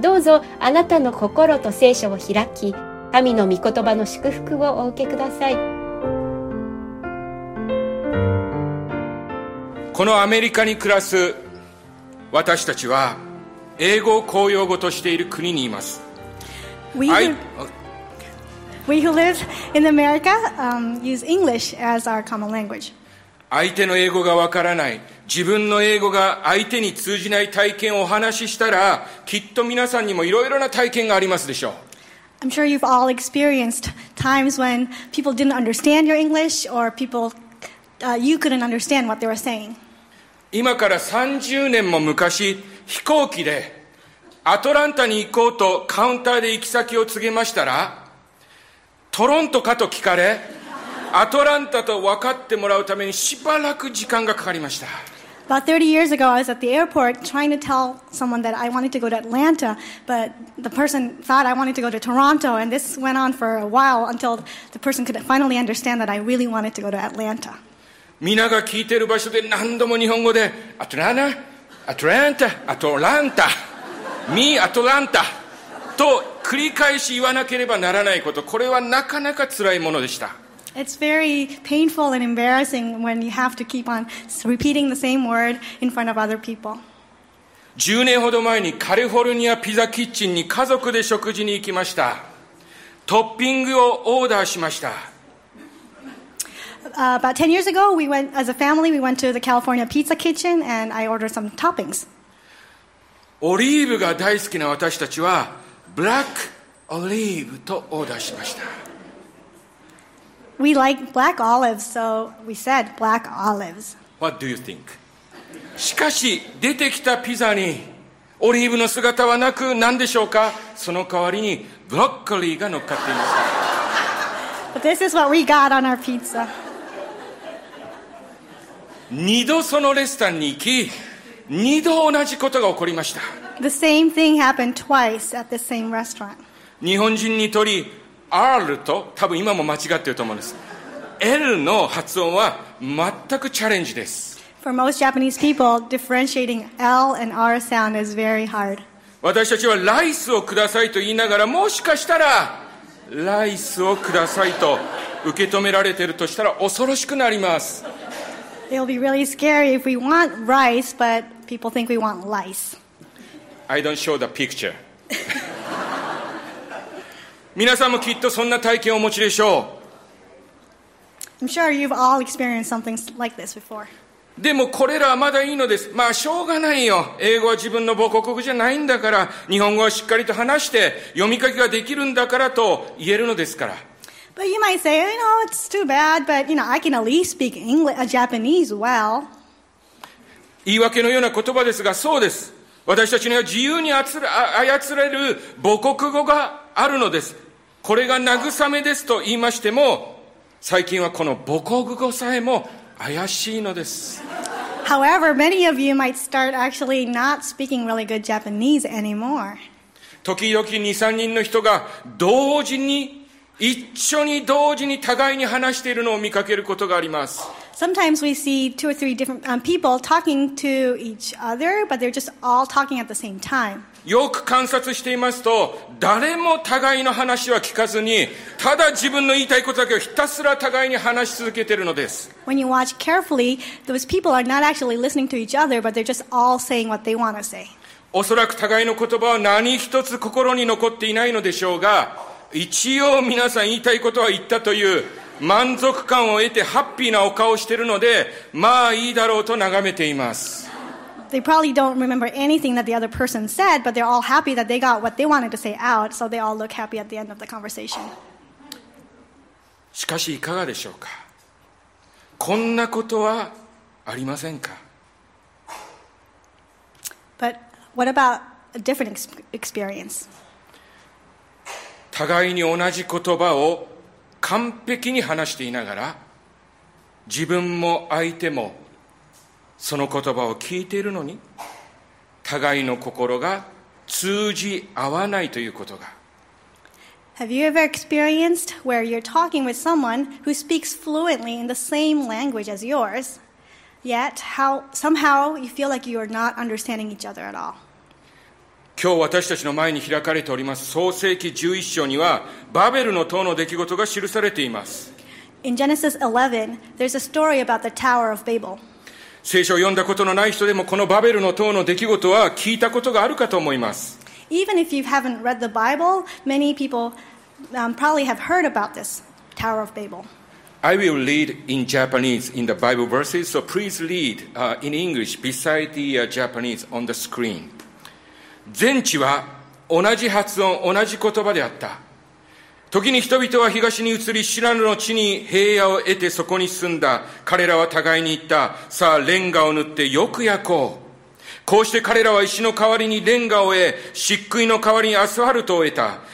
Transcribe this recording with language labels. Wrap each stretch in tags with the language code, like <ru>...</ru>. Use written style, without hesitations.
<ja>どうぞあなたの心と聖書を開き、神の御言葉の祝福をお受けください。このアメリカに暮らす私たちは英語を公用語としている国にいます。</ja> <en>We who live in America use English as our common language.</en> <ja>相手の英語がわからない、自分の英語が相手に通じない体験をお話ししたら、きっと皆さんにもいろいろな体験がありますでしょう。</ja> <en>I'm sure you've all experienced times when people didn't understand your English or people, you couldn't understand what they were saying.</en> <ja>今から30年も昔、飛行機でアトランタに行こうとカウンターで行き先を告げましたら、トロントかと聞かれ、アトランタと分かってもらうためにしばらく時間がかかりました。</ja> <en>About 30 years ago, I was at the airport trying to tell someone that I wanted to go to Atlanta, but the person thought I wanted to go to Toronto, and this went on for a while until the person could finally understand that I really wanted to go to Atlanta.</en> <ja>皆が聞いている場所で何度も日本語でアトランタ、アトランタ、アトランタ、ミーアトランタと繰り返し言わなければならないこと、これはなかなか辛いものでした。</ja> <en>It's very painful and embarrassing when you have to keep on repeating the same word in front of other people.</en> <ja>10年ほど前にカリフォルニアピザキッチンに家族で食事に行きました。トッピングをオーダーしました。</ja> <en>About 10 years ago, we went, as a family, we went to the California Pizza Kitchen and I ordered some toppings.</en> <ja>オリーブが大好きな私たちは、ブラックオリーブとオーダーしました。</ja> <en>We like black olives, so we said black olives. What do you think?</en> <ja>しかし出てきたピザにオリーブの姿はなく、何でしょうか？その代わりにブロッコリーが乗っかっています。</ja> <en>But this is what we got on our pizza.</en> <ja>二度そのレストランに行き、二度同じことが起こりました。</ja> <en>The same thing happened twice at the same restaurant.</en> <ja>日本人にとり、R と、多分今も間違っていると思うんです。 L の発音は全くチャレンジです。</ja> <en>For most Japanese people, differentiating L and R sound is very hard.</en> <ja>私たちはライスをくださいと言いながら、もしかしたら、ライスをくださいと受け止められているとしたら恐ろしくなります。</ja> <en>It'll be really scary if we want rice, but people think we want lice. I don't show the picture.</en> <ja>皆さんもきっとそんな体験をお持ちでしょう。</ja> <en>I'm sure you've all experienced something like this before.</en> <ja>でもこれらはまだいいのです。まあしょうがないよ。英語は自分の母国語じゃないんだから、日本語はしっかりと話して読み書きができるんだからと言えるのですから。</ja> <en>But you might say, you know, it's too bad, but you know, I can at least speak English, Japanese well.</en> <ja>言い訳のような言葉ですが、そうです。私たちには自由に操れる母国語があるのです。これが慰めですと言いましても、最近はこの母国語さえも怪しいのです。</ja> <en>However, many of you might start actually not speaking really good Japanese anymore.</en> <ja>時々 2,3 人の人が同時に、一緒に同時に互いに話しているのを見かけることがあります。</ja> <en>Sometimes we see two or three different people talking to each other, but they're just all talking at the same time.</en> <ja>よく観察していますと、誰も互いの話は聞かずに、ただ自分の言いたいことだけをひたすら互いに話し続けているのです。</ja> <en>When you watch carefully, those people are not actually listening to each other, but they're just all saying what they want to say.</en> <ja>おそらく互いの言葉は何一つ心に残っていないのでしょうが、一応皆さん言いたいことは言ったという、満足感を得てハッピーなお顔をしているので、まあいいだろうと眺めています。</ja> <en>They probably don't remember anything that the other person said, but they're all happy that they got what they wanted to say out, so they all look happy at the end of the conversation.</en> <ja>しかしいかがでしょうか。こんなことはありませんか。</ja> <en>But what about a different experience?</en> <ja>互いに同じ言葉を完璧に話していながら、自分も相手もその言葉を聞いているのに、互いの心が通じ合わないということが。</ja> <en>Have you ever experienced where you're talking with someone who speaks fluently in the same language as yours, yet somehow you feel like you are not understanding each other at all?</en> <ja>今日私たちの前に開かれております創世記11章にはバベルの塔の出来事が記されています。</ja> <en>In Genesis 11, there's a story about the Tower of Babel.</en> <ja>聖書を読んだことのない人でもこのバベルの塔の出来事は聞いたことがあるかと思います。</ja> <en>Even if you haven't read the Bible, many people probably have heard about this Tower of Babel. I will read in Japanese in the Bible verses, so please read in English beside the Japanese on the screen.</en> <ja>全地は同じ発音、同じ言葉であった。時に人々は東に移り、シナルの地に平野を得てそこに住んだ。彼らは互いに言った。さあ、レンガを塗ってよく焼こう。こうして彼らは石の代わりにレンガを得、漆喰の代わりにアスファルトを得た。</ja>